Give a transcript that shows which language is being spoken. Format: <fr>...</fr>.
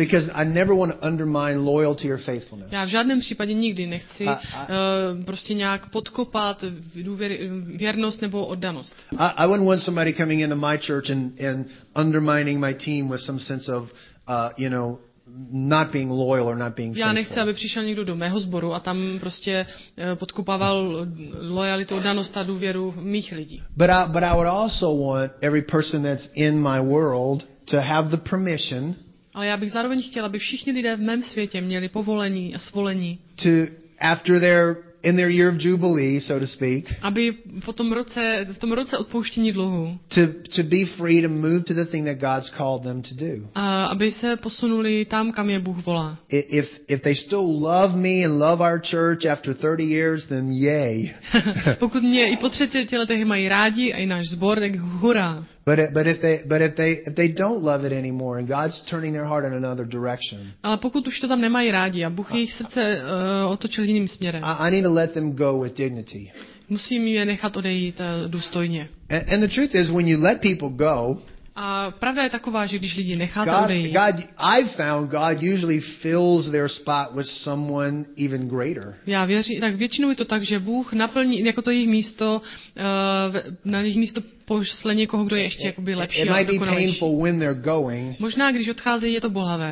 <en>Because I never want to undermine loyalty or faithfulness.</en> <cs>Já v žádném případě nikdy nechci prostě nějak podkopat věrnost nebo oddanost.</cs> <en>I wouldn't want somebody coming into my church and undermining my team with some sense of you know, not being loyal or not being faithful.</en> <cs>Já nechci, aby přišel někdo do mého sboru a tam prostě podkopával loyalitu, oddanost a důvěru mých lidí.</cs> <en>But I would also want every person that's in my world to have the permission.</en> <cs>Ale já bych zároveň chtěl, aby všichni lidé v mém světě měli povolení a svolení.</cs> <en>To after their in their year of jubilee, so to speak.</en> <cs>Aby v tom roce odpouštění dluhu.</cs> <en>To be free to move to the thing that God's called them to do.</en> <cs>Aby se posunuli tam, kam je Bůh volá.</cs> <en>If they still love me and love our church after 30 years, then yay.</en> <cs>Pokud mě i po 30 letech mají rádi a i náš sbor, tak hurá.</cs> <en>But if they don't love it anymore and God's turning their heart in another direction.</en> <cs>Ale pokud už to tam nemají rádi a Bůh jejich srdce otočil jiným směrem.</cs> <en>I need to let them go with dignity.</en> <cs>Musím je nechat odejít důstojně.</cs> <en>And the truth is when you let people go.</en> <cs>A pravda je taková, že když lidi necháte odejít.</cs> <en>I've found God usually fills their spot with someone even greater.</en> <cs>Já věřím, tak většinou je to tak, že Bůh naplní jako to jejich místo na jejich místo pošle někoho, kdo je ještě jakoby lepší a dokonalejší.</cs> <en>It might be painful when they're going.</en> <cs>Možná když odcházejí, je to bolavé.</cs>